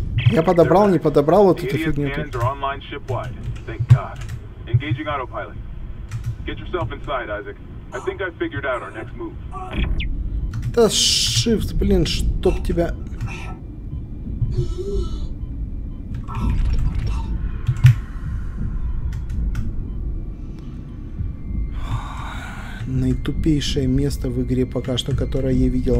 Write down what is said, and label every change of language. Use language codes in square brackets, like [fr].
[ru] Я подобрал, не подобрал вот эту фигню. [en] The ADS cannons are online ship-wide. Thank God. Engaging autopilot. Get yourself inside, Isaac. I think I figured out our next move. [ru] Да shift, блин, чтоб тебя... Наитупейшее место в игре пока что, которое я видел.